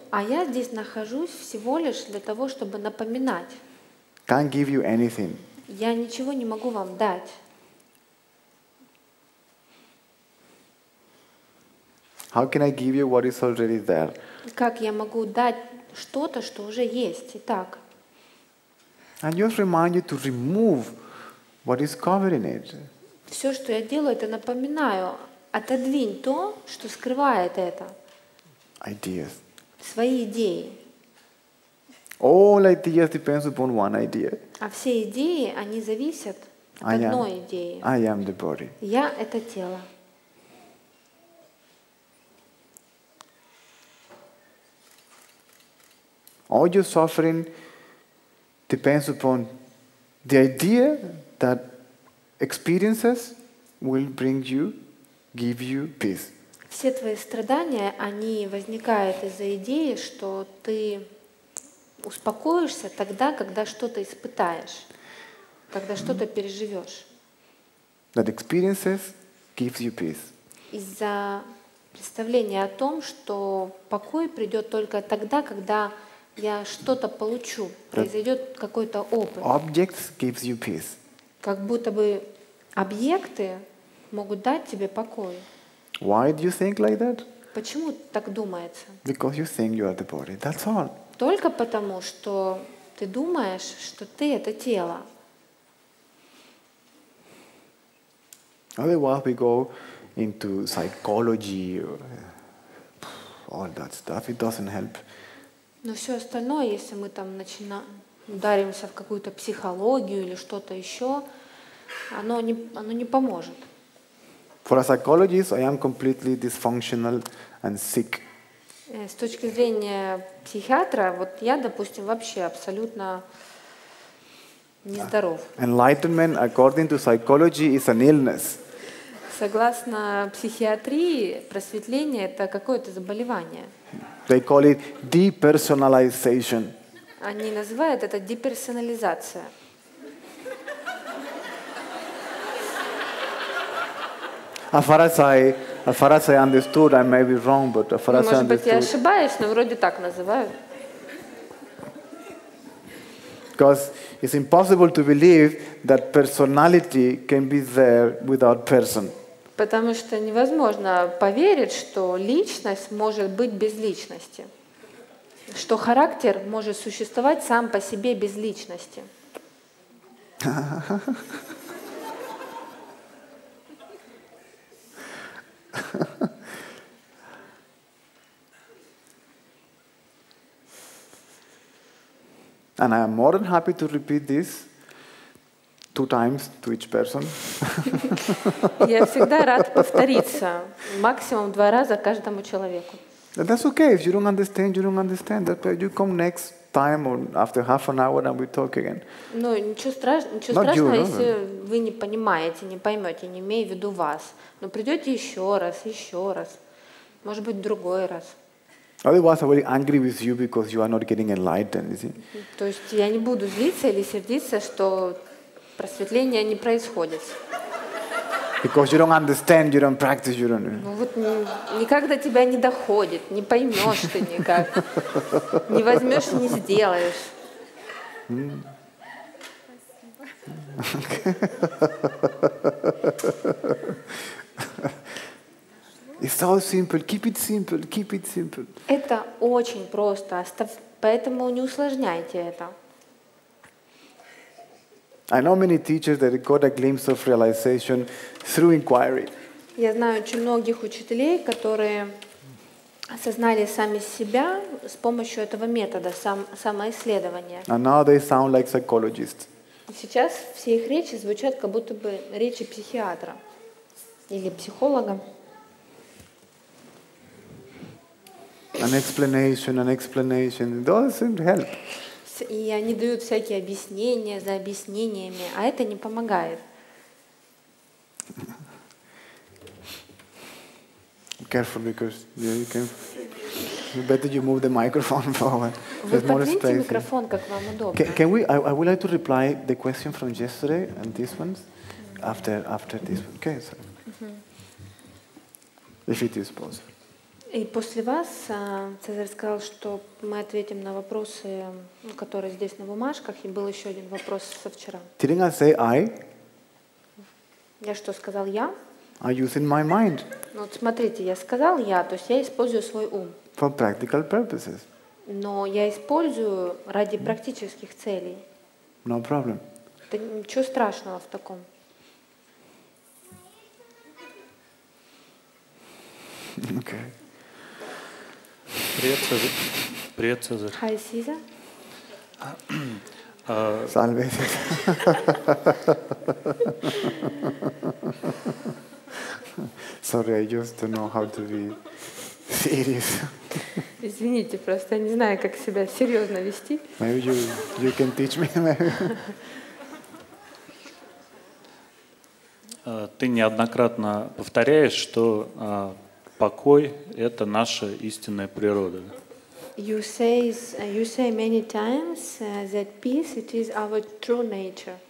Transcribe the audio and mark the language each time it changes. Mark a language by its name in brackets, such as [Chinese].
[Russian] А я здесь нахожусь всего лишь для того, чтобы напоминать. [English] Can't give you anything. [Russian] Я ничего не могу вам дать. [English] How can I give you what is already there? [Russian] Как я могу дать что-то, что уже есть? Итак. [English] And just remind you to remove what is covering it. [Russian] Все, что я делаю, это напоминаю. Отодвинь то, что скрывает это. [English] Ideas. [Russian] Свои идеи. [English] All ideas depends upon one idea. [Russian] А все идеи, они зависят от одной идеи. [English] I am the body. [Russian] Я — это тело. [English] All your suffering depends upon the idea that experiences will bring you, give you peace. [Russian] Все твои страдания, они возникают из-за идеи, что ты успокоишься тогда, когда что-то испытаешь, когда что-то переживешь. [English] That experiences gives you peace. [Russian] Из-за представления о том, что покой придет только тогда, когда я что-то получу, произойдет какой-то опыт. [English] Objects gives you peace. [Russian] Как будто бы объекты могут дать тебе покой. [English] Why do you think like that? [Russian] Почему так думается? [English] Because you think you are the body. That's all. [Russian] Только потому, что ты думаешь, что ты это тело. [English] Otherwise we go into psychology, all that stuff. It doesn't help. [Russian] Но все остальное, если мы там ударимся в какую-то психологию или что-то еще, оно не поможет. [English] For a psychologist, I am completely dysfunctional and sick. [Russian] С точки зрения психиатра, вот я, допустим, вообще абсолютно нездоров. [English] Enlightenment, according to psychology, is an illness. [Russian] Согласно психиатрии, просветление — это какое-то заболевание. [English] They call it depersonalization. [Russian] Они называют это деперсонализация. [English] A Pharisee understood. I may be wrong, but a Pharisee understood. [Russian] Может быть, я ошибаюсь, но вроде так называют. [English] Because it's impossible to believe that personality can be there without person. [Russian] Потому что невозможно поверить, что личность может быть без личности. Что характер может существовать сам по себе без личности. [English] And I am more than happy to repeat this. Two times to each person. [Russian] Я всегда рад повториться максимум два раза каждому человеку. [English] That's okay. If you don't understand, you don't understand. That you come next time or after half an hour and we talk again. [Russian] Ну, ничего страшного, если вы не понимаете, не поймете, не имею в виду вас. Но придете еще раз. Может быть, другой раз. [English] Otherwise, I will be angry with you because you are not getting enlightened. Is it? [Russian] То есть я не буду злиться или сердиться, что просветление не происходит. [English] Because you don't understand, you don't practice, you don't. [Russian] Ну вот никогда тебя не доходит, не поймешь ты никак, не возьмешь, не сделаешь. [English] It's so simple. Keep it simple. [Russian] Это очень просто. Поэтому не усложняйте это. [English] I know many teachers that got a glimpse of realization through inquiry. [Russian] Я знаю очень многих учителей, которые осознали сами себя с помощью этого метода самоисследования. [English] And now they sound like psychologists. [Russian] Сейчас все их речи звучат как будто бы речи психиатра или психолога. [English] An explanation. It doesn't help. [Russian] И они дают всякие объяснения за объяснениями, а это не помогает. [English] Careful, because you can. Better you move the microphone forward. There's more space. [Russian] Вы подвиньте микрофон, как вам удобно. [English] Can we? I would like to reply the question from yesterday and this one after this one. Okay, sir. If it is possible. [Russian] И после вас Цезарь сказал, что мы ответим на вопросы, которые здесь на бумажках, и был еще один вопрос со вчера. [English] Didn't I say I? [Russian] Я что, сказал я? [English] I'm using my mind. [Russian] Ну, вот смотрите, я сказал я, то есть я использую свой ум. [English] For practical purposes. [Russian] Но я использую ради практических целей. [English] No problem. [Russian] Это ничего страшного в таком. [English] Okay. [Russian] Привет, Цезарь. Привет, Цезарь. [English] Hi, Caesar. [Latin] Salve. [English] Sorry, I just don't know how to be serious. [Russian] Извините, просто не знаю, как себя серьезно вести. [English] Maybe you can teach me. [Russian] Ты неоднократно повторяешь, что покой — это наша истинная природа. [English] You say many times that peace it is our true nature.